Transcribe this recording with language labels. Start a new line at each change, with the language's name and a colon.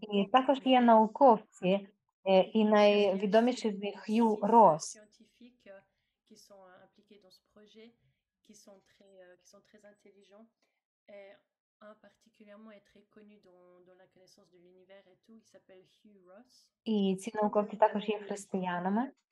Ukrainian: І також є науковці, і найвідоміший з них Hugh Ross.
French: Scientifiques qui sont impliqués dans ce projet, qui sont très intelligents et un particulièrement est très connu dans la connaissance de l'univers et tout, il s'appelle Hugh Ross.
Ukrainian: І ці науковці також є християнами.